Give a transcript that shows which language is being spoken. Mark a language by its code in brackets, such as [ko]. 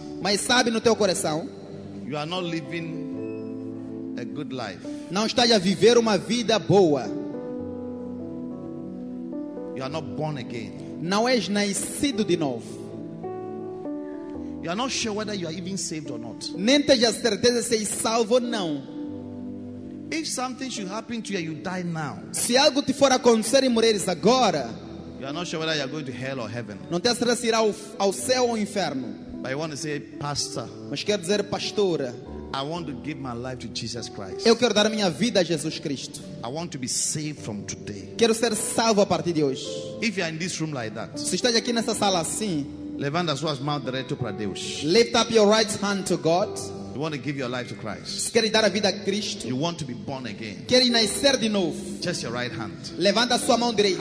[pt] Mas sabe no teu coração. [en] You are not living a good life. [pt] Não estás a viver uma vida boa. [en] You are not born again. [pt] Não és nascido de novo. [en] You are not sure whether you are even saved or not. [pt] Nem tens a certeza se és salvo ou não. [en] If something should happen to you, you die now. [pt] Se algo te for acontecer e morreres agora. [en] You are not sure whether you are going to hell or heaven. [pt] Não tens a certeza se irá ao céu ou ao inferno. [en] But I want to say, pastor. [pt] Mas quero dizer, pastora. [en] I want to give my life to Jesus Christ. [pt] Eu quero dar minha vida a Jesus Cristo. [en] I want to be saved from today. [pt] Quero ser salvo a partir de hoje. [en] If you are in this room like that. [pt] Se estás aqui nessa sala assim. Levanta as suas mãos direto para Deus. [en] Lift up your right hand to God. You want to give your life to Christ. [pt] Quer dar a vida a Cristo. [en] You want to be born again. [pt] Quer nascer de novo. [en] Just your right hand. [pt] Levanta a sua mão direita.